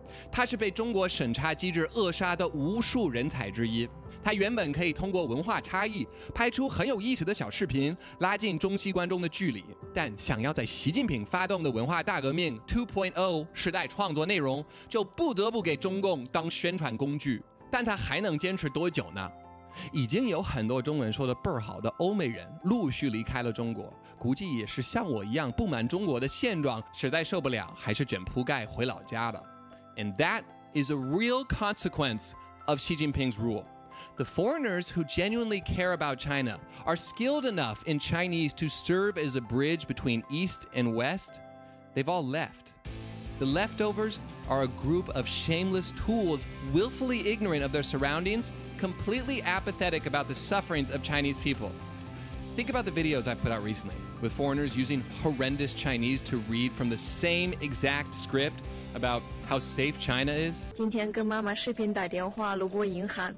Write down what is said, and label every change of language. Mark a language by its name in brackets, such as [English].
[Chinese] 他是被中国审查机制扼杀的无数人才之一，他原本可以通过文化差异拍出很有意思的小视频，拉近中西观众的距离，但想要在习近平发动的文化大革命 2.0 时代创作内容，就不得不给中共当宣传工具。但他还能坚持多久呢？已经有很多中文说得倍儿好的欧美人陆续离开了中国，估计也是像我一样不满中国的现状，实在受不了，还是卷铺盖回老家了。 [English] And that is a real consequence of Xi Jinping's rule. The foreigners who genuinely care about China are skilled enough in Chinese to serve as a bridge between East and West. They've all left. The leftovers are a group of shameless tools, willfully ignorant of their surroundings, completely apathetic about the sufferings of Chinese people. Think about the videos I put out recently with foreigners using horrendous Chinese to read from the same exact script. About how safe China is. [Chinese] 今天跟妈妈视频打电话，路过银行。